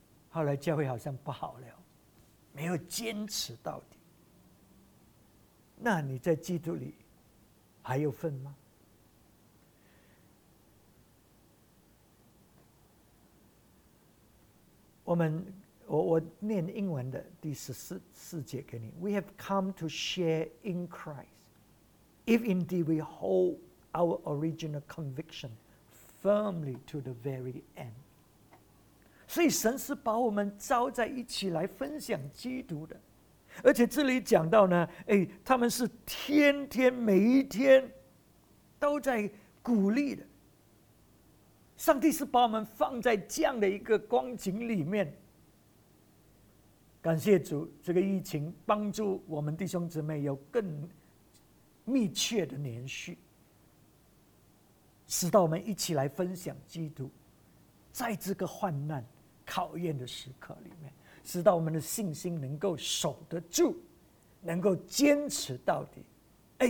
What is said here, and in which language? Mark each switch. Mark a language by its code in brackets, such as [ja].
[zh] 后来教会好像不好了，没有坚持到底，那你在基督里还有份吗？我念英文的第十四节给你。 [en] We have come to share in Christ if indeed we hold our original conviction firmly to the very end。 [zh] 所以神是把我们召在一起来分享基督的，而且这里讲到呢，他们是天天每一天都在鼓励的。上帝是把我们放在这样的一个光景里面，感谢主，这个疫情帮助我们弟兄姊妹有更密切的联系，使到我们一起来分享基督，在这个患难考验的时刻里面，使到我们的信心能够守得住，能够坚持到底。